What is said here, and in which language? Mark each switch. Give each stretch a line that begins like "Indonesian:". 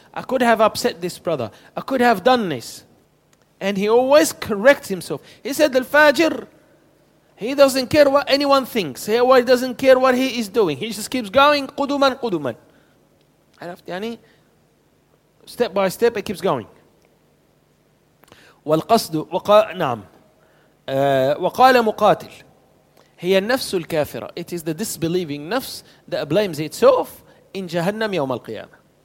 English: I could have upset this brother. I could have done this. And he always corrects himself. He said, Al-Fajir, he doesn't care what anyone thinks. He doesn't care what he is doing. He just keeps going, Quduman, Quduman. Step by step, it keeps going.
Arabic: والقصد نعم وقال مقاتل هي النفس الكافرة.
English: It is the disbelieving nafs that blames itself in جهنم يوم القيامة.